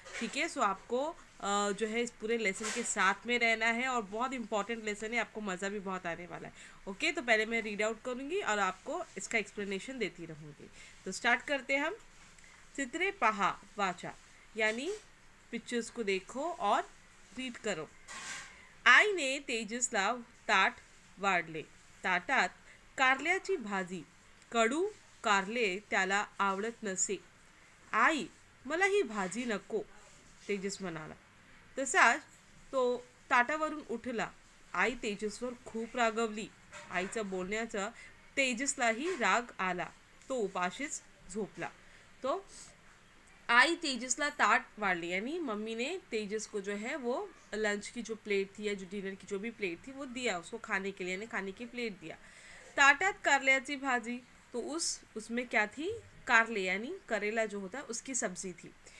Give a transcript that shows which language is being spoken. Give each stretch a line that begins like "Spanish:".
Hindi: ठीक है, सो आपको जो है इस पूरे लेसन के साथ में रहना है, और बहुत इंपॉर्टेंट लेसन है, आपको मज़ा भी बहुत आने वाला है। ओके, तो पहले मैं रीड आउट करूँगी और आपको इसका एक्सप्लेनेशन देती रहूँगी। तो स्टार्ट करते हम।
Marathi: चित्रे पहा वाचा,
Hindi: यानी पिक्चर्स को देखो और रीड करो।
Marathi: आई ने तेजसला ताट वाढले, ताटात कारल्याची भाजी, कडू कारले त्याला आवडत नसे। आई मला ही भाजी नको, तेजस म्हणाला। तसाच तो ताटावरून उठला, आई तेजसवर खूप रागवली, आईचा बोलण्याचा तेजसलाही राग आला, तो उपाशीच झोपला। तो आई तेजसला ताट वाढली,
Hindi: यानी मम्मी ने तेजस को जो है वो लंच की जो प्लेट थी या जो डिनर की जो भी प्लेट थी वो दिया उसको खाने के लिए, यानी खाने की प्लेट दिया।
Marathi: ताटात कारल्याची भाजी,
Hindi: तो उसमें क्या थी, कारले यानी करेला जो होता है उसकी सब्जी थी।